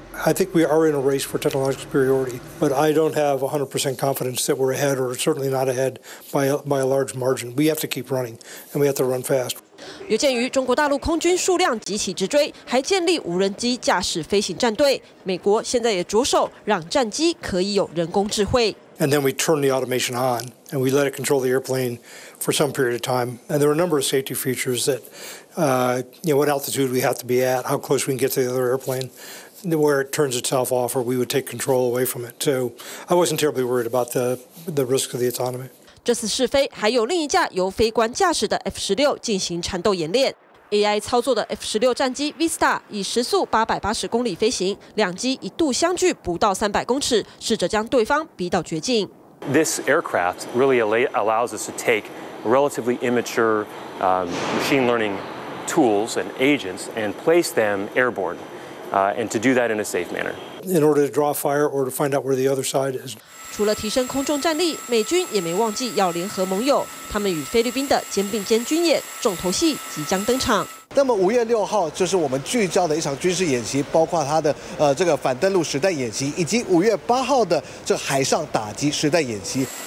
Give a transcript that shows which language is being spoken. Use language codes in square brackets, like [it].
[en] I think we are in a race for technological superiority, but I don't have 100% confidence that we're ahead, or certainly not ahead by a large margin. We have to keep running, and we have to run fast. [zh] 有鉴于中国大陆空军数量急起直追，还建立无人机驾驶飞行战队，美国现在也着手让战机可以有人工智慧。 [en] And then we turn the automation on, and we let it control the airplane for some period of time. And there are a number of safety features that, what altitude we have to be at, how close we can get to the other airplane. Where it turns itself off, or we would take control away from it. So I wasn't terribly worried about the risk of the autonomy. [zh] 这次试飞还有另一架由飞官驾驶的 F-16 进行缠斗演练。 AI 操作的 F-16 战机 Vista 以时速880公里飞行，两机一度相距不到300公尺，试着将对方逼到绝境。 [en] This aircraft really allows us to take relatively immature machine learning tools and agents and place them airborne. And to do that in a safe manner. In order to draw fire or to find out where the other side is. [zh] 除了提升空中战力，美军也没忘记要联合盟友。他们与菲律宾的肩并肩军演重头戏即将登场。那么5月6号就是我们聚焦的一场军事演习，包括它的这个反登陆实弹演习，以及5月8号的这海上打击实弹演习。